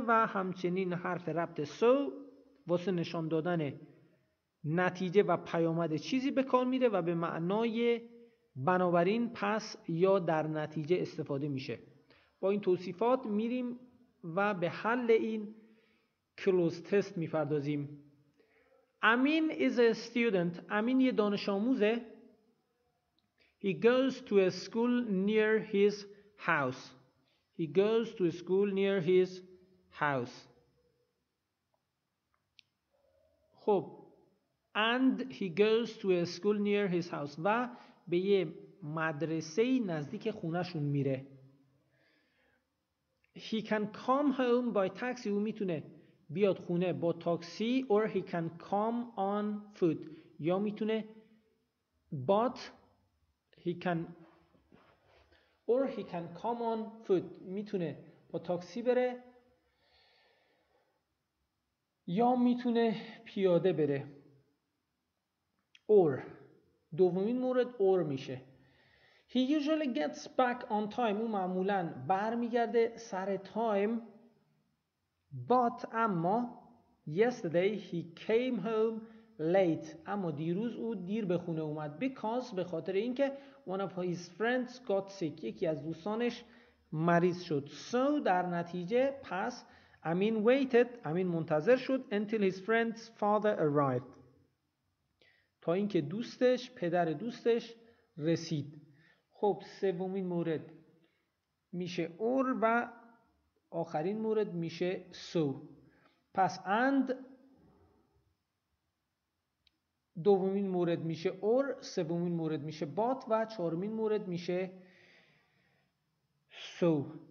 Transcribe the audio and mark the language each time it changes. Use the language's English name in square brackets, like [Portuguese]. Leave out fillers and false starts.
[Persian] و همچنین حرف ربط سو واسه نشان دادن نتیجه و پیامد چیزی به کار میره و به معنای بنابراین، پس یا در نتیجه استفاده میشه. با این توصیفات میریم و به حل این کلوز تست میپردازیم. [English] Amin is a student. [Persian] امین یه دانش آموزه. [English] He goes to a school near his house. He goes to a school near his house. خب، and he goes to a school near his house. [Persian] و به یه مدرسه نزدیک خونهشون میره. [English] He can come home by taxi. [Persian] او میتونه بیاد خونه با تاکسی. [English] Or he can come on foot. [Persian] یا میتونه [English] but he can or he can come on foot. [Persian] میتونه با تاکسی بره یا میتونه پیاده بره. Or دومین مورد or میشه. [English] He usually gets back on time. [Persian] او معمولاً برمیگرده سر تایم. [English] But [Persian] اما [English] yesterday he came home late. [Persian] اما دیروز او دیر به خونه اومد. [English] Because [Persian] به خاطر اینکه [English] one of his friends got sick. [Persian] یکی از دوستانش مریض شد. So در نتیجه پس امین waited. امین منتظر شد [English] until his friend's father arrived. [Persian] تا اینکه دوستش، پدر دوستش رسید. خب سومین مورد میشه اور و آخرین مورد میشه سو. پس اند، دومین مورد میشه اور، سومین مورد میشه بات و چهارمین مورد میشه سو.